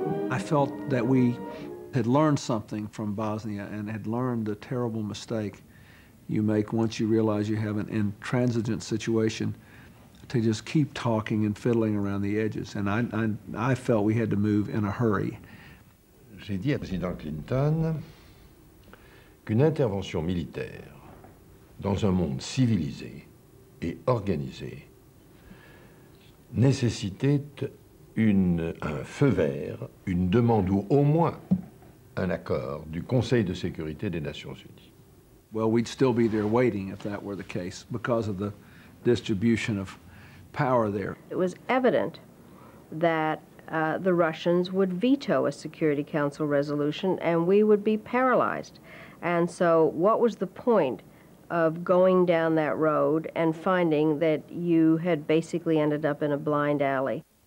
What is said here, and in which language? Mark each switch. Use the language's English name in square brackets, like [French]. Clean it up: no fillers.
[English] I felt that we had learned something from Bosnia and had learned the terrible mistake you make once you realize you have an intransigent situation to just keep talking and fiddling around the edges. And I felt we had to move in a hurry. [French] J'ai dit à President Clinton qu'une intervention militaire dans un monde civilisé et organisé nécessitait un feu vert, une demande ou au moins un accord du Conseil de sécurité des Nations Unies. [English] Well, we'd still be there waiting if that were the case because of the distribution of power there. It was evident that the Russians would veto a Security Council resolution and we would be paralyzed. And so what was the point of going down that road and finding that you had basically ended up in a blind alley?